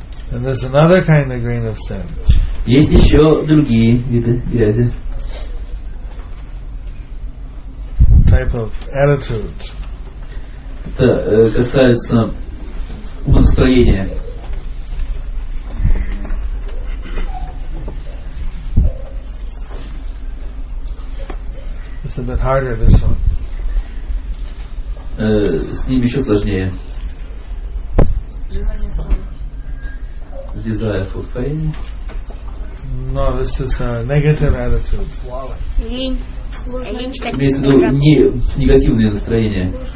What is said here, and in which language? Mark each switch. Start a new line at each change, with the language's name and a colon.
English: And there's another kind of grain of sand.
Russian: Есть еще другие виды грязи.
English: Type of attitude.
Russian: Это касается умонастроения.
English: It's a bit harder, this one.
Russian: С ним еще сложнее.
English: Desire for fame. No, this is a negative attitude.
Russian: Имеется в виду негативное настроение.